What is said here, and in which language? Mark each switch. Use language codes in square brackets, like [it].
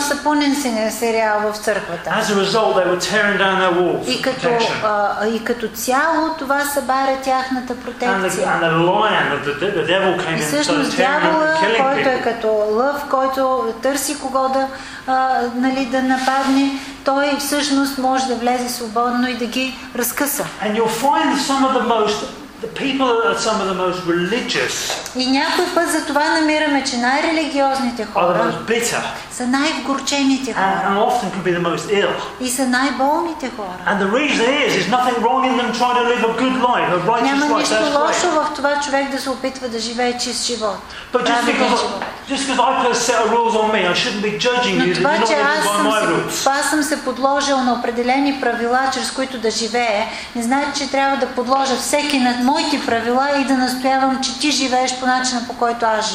[bg] са пълнен си на сериал в църквата. [en] As a result, they were tearing down their walls. [bg] И като цяло това събаря тяхната протекция. [en] And the lion, the devil came in. [bg] И всъщност дявола, който е като лъв, който търси кого да, нали, да нападне, той всъщност може да влезе свободно и да ги разкъса. [en] And you'll find some of the most The people are some of the most religious. [bg] И някой път за това намираме, че най-религиозните хора са най-вгорчените хора. [en] And often can be the most ill. [bg] И са най-болните хора. [en] And the reason is, there's nothing wrong in them trying to live a good life, a righteous life. [bg] Няма нищо лошо в това човек да се опитва да живее чист живот. [en] But just because I set a rules on me, I shouldn't be judging you. [bg] Това, че аз съм се подложил на определени правила, чрез които да живее, не значи, че трябва да подложа всеки на моите правила и да настоявам, че ти живееш по начина, по който аз